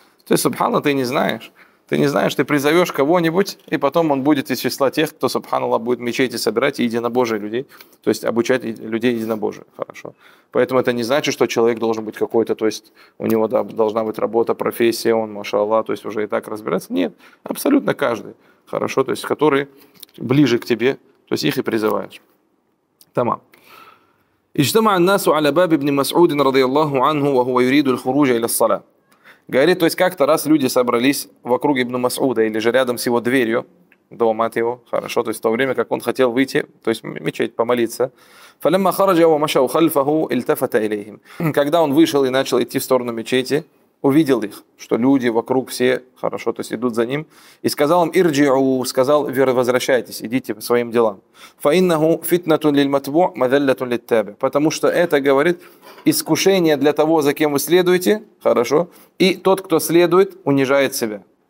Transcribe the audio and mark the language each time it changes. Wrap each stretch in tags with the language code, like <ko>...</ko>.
<ru>То есть, субханаллах, ты не знаешь. Ты не знаешь, ты призовешь кого-нибудь, и потом он будет из числа тех, кто, субханаллах, будет мечети собирать и единобожие людей, то есть обучать людей единобожие. Хорошо. Поэтому это не значит, что человек должен быть какой-то, то есть у него должна быть работа, профессия, он, машаллах, то есть уже и так разбирается. Нет, абсолютно каждый. Хорошо, то есть который ближе к тебе, то есть их и призываешь. Тамам.</ru> <ar>اجتمع الناس على باب ابن مسعود رضي الله عنه وهو يريد الخروج الى الصلاه.</ar> <ru>Говорит, то есть как-то раз люди собрались вокруг ибн Масуда или же рядом с его дверью, дома от его, хорошо, то есть в то время, как он хотел выйти, то есть мечеть помолиться.</ru> <ar>فلما خرج ومشى خلفه التفت اليهم.</ar> <ru>Когда он вышел и начал идти в сторону мечети, увидел их, что люди вокруг все, хорошо, то есть идут за ним, и сказал им ирджиу, сказал: возвращайтесь, идите по своим делам.</ru> <ar>Фаиннаху фитнатун лильматбу мадаллатун литтаби.</ar> <ru>Потому что это, говорит, искушение для того, за кем вы следуете, хорошо, и тот, кто следует, унижает себя.</ru>